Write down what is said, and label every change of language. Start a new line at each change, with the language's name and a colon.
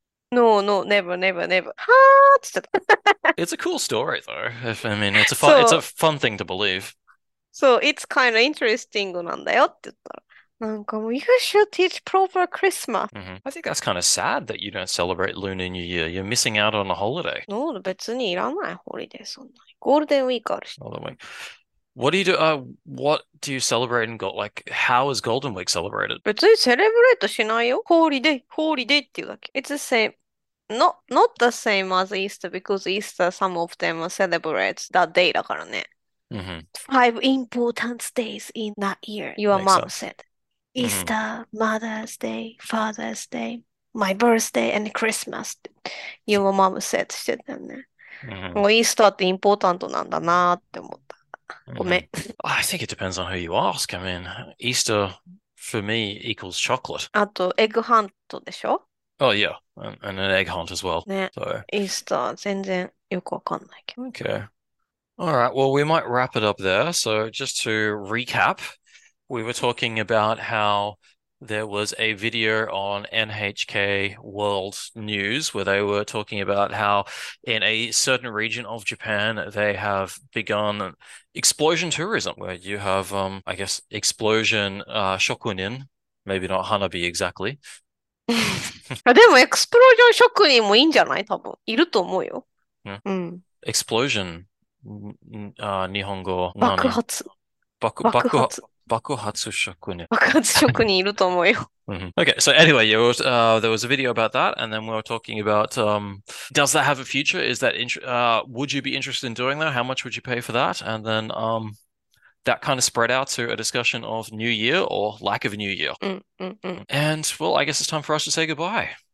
English: No, no, never, never, never.
Japanese: はーって言ってた。
English: It's a cool story, though. If, I mean, it's a
Japanese: そう。
English: fun thing to believe.
Japanese: そう、
English: it's kind of interesting
Japanese: なんだよって言ったら。なんかもう、
English: you should teach proper Christmas。 I think that's kind of sad that you don't celebrate Lunar New Year. You're missing out on a holiday. No,
Japanese: 別にいらないホリデー、そんなに。ゴールデンウィークあるし。
English: Golden Week. What do you celebrate and got like how is Golden Week celebrated?
Japanese: 別にセレブレートしないよ。ホリデー、ホリデーっていうだけ。
English: It's the same. Not the same as Easter because Easter, some of them celebrate that day
Japanese: だからね。
English: Five important days in that year, your Makes mom sense. said. Easter, Mother's Day, Father's Day, my birthday, and Christmas. Your mom said
Japanese: してたね。もうイースターってインポータントなんだなって思った。ごめん。
English: I think it depends on who you ask. I mean, Easter for me equals chocolate.
Japanese: あと、エッグハントでしょ？
English: Oh, yeah, and an egg hunt as well.
Japanese: ね、
English: So,
Japanese: イースター全然よくわかんないけど。
English: okay. All right, well, we might wrap it up there. So, just to recap, we were talking about how there was a video on NHK World News where they were talking about how in a certain region of Japan they have begun explosion tourism, where you have I guess explosion shokunin, maybe not hanabi exactly.
Japanese: あ、でも、エクスプロージョン職人もいいんじゃない？多分。いると思うよ。うん。
English: Explosion Nihongo
Japanese: 爆何発。爆爆爆発。爆発職人。爆発職人いると思うよ。
English: Okay, so anyway, there was a video about that, and then we were talking about does that have a future? Is that would you be interested in doing that? How much would you pay for that? And then that kind of spread out to a discussion of New Year or lack of New Year. And well, I guess it's time for us to say goodbye.